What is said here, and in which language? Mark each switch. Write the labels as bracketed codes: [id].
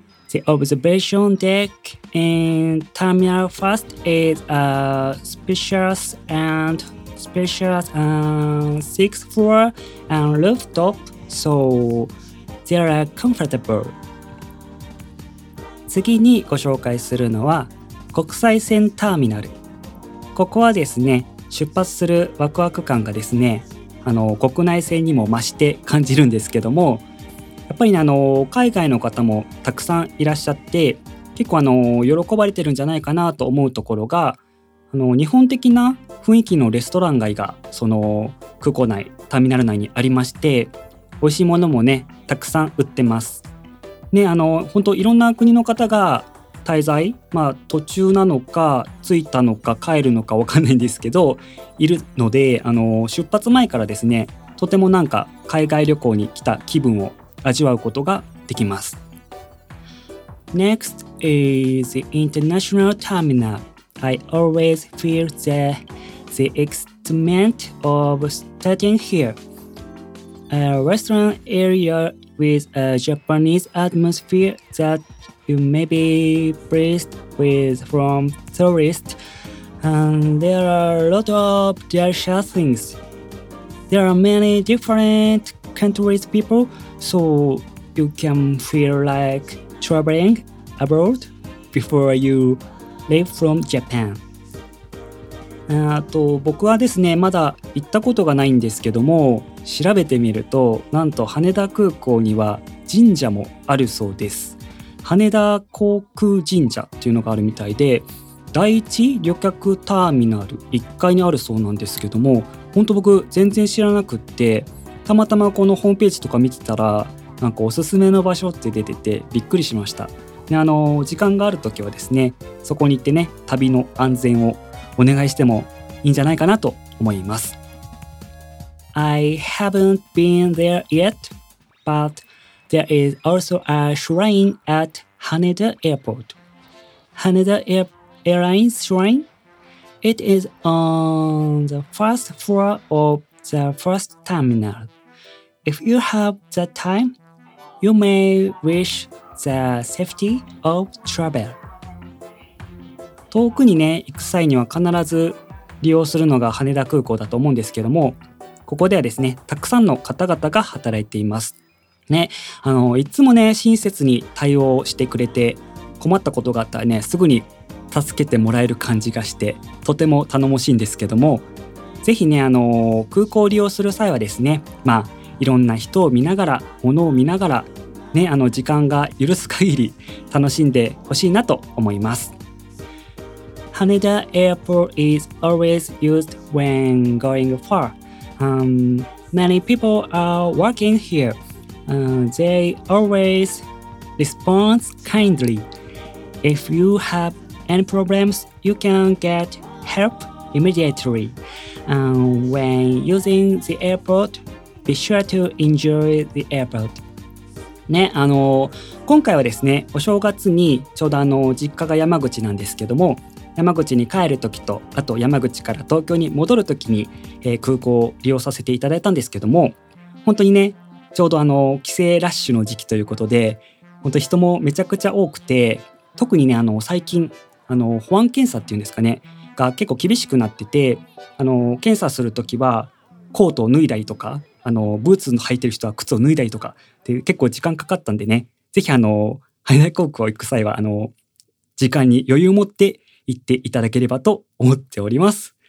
[en] The observation deck in Terminal 1 is a spacious sixth floor and rooftop, so they are comfortable. [ja] 次にご紹介するのは国際線ターミナル。ここはですね、出発するワクワク感がですね、国内線にも増して感じるんですけども、やっぱり、海外の方もたくさんいらっしゃって、結構喜ばれてるんじゃないかなと思うところが、日本的な雰囲気のレストラン街がその空港内、ターミナル内にありまして、美味しいものもね、たくさん売ってます。ね、本当いろんな国の方が滞在、まあ途中なのか着いたのか帰るのかわかんないんですけど、いるので、出発前からですね、とてもなんか海外旅行に来た気分を味わうことができます。 [en] Next is the International Terminal. I always feel the excitement of starting here. A restaurant area with a Japanese atmosphere that you may be pleased with from tourists. And there are a lot of delicious things. There are many different countries people, so you can feel like traveling abroad before youLive from Japan. [ja] あと僕はですね、まだ行ったことがないんですけども、調べてみるとなんと羽田空港には神社もあるそうです。羽田航空神社っていうのがあるみたいで、第一旅客ターミナル1階にあるそうなんですけども、本当僕全然知らなくって、たまたまこのホームページとか見てたら、なんかおすすめの場所って出ててびっくりしました。時間があるときはですね、そこに行ってね、旅の安全をお願いしてもいいんじゃないかなと思います。 [en] I haven't been there yet, but there is also a shrine at Haneda Airport. Haneda Airlines Shrine. It is on the first floor of the first terminal. If you have the time, you may wishThe safety of travel. [ja] 遠くにね、行く際には必ず利用するのが羽田空港だと思うんですけども、ここではですね、たくさんの方々が働いています。ね、いつもね、親切に対応してくれて、困ったことがあったらね、すぐに助けてもらえる感じがして、とても頼もしいんですけども、ぜひね、空港を利用する際はですね、まあ、いろんな人を見ながら、物を見ながら、ね、時間が許す限り楽しんでほしいなと思います。 [en] Haneda Airport is always used when going far. Many people are working here. They always responds kindly. If you have any problems, you can get help immediately. When using the airport, be sure to enjoy the airport. [ja] ね、今回はですね、お正月にちょうど実家が山口なんですけども、山口に帰るときと、あと山口から東京に戻るときに、空港を利用させていただいたんですけども、本当にね、ちょうど帰省ラッシュの時期ということで、本当人もめちゃくちゃ多くて、特にね、最近、保安検査っていうんですかね、が結構厳しくなってて、検査するときは、コートを脱いだりとか、ブーツの履いてる人は靴を脱いだりとかで結構時間かかったんでね、ぜひ羽田航空を行く際は時間に余裕を持って行っていただければと思っております。